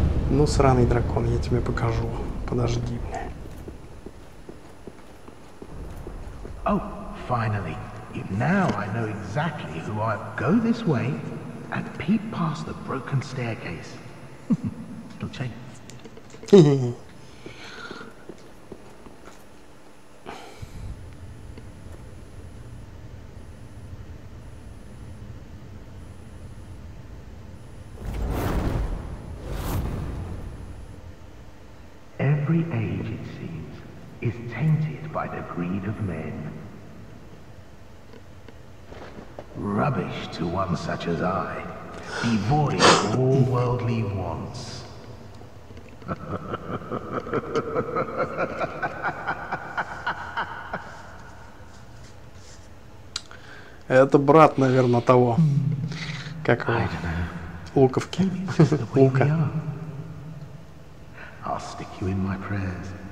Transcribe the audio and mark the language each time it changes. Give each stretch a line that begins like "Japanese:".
Russian: Ну сраный дракон, я тебе покажу. Подожди.
English: Finally, now I know exactly who I go this way and peep past the broken staircase. <It'll change. laughs> Every age, it seems, is tainted by the greed of men. Rubbish to one such as I, devoid of all worldly wants.
Russian: Это брат, наверное, того, как его, луковки, лука.
English: I'll stick you in my prayers.